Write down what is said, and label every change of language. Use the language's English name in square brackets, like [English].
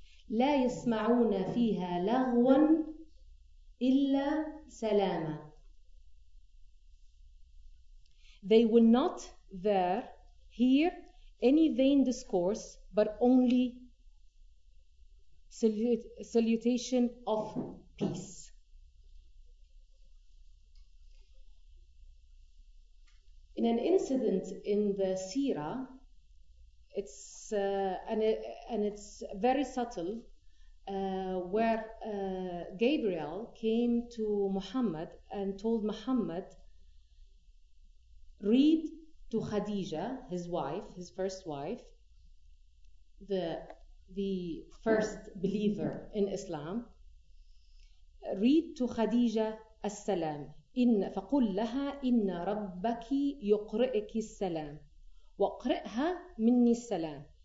[Arabic] لا يسمعون فيها لغوا إلا سلاما. [English] They will not there hear any vain discourse, but only salutation of peace. In an incident in the Seerah, it's very subtle, where Gabriel came to Muhammad and told Muhammad, read to Khadija, his wife, his first wife, the first believer in Islam, read to Khadija as-salam. [Arabic] إن فقل لها إن ربك يقرئك السلام وقرئها مني السلام.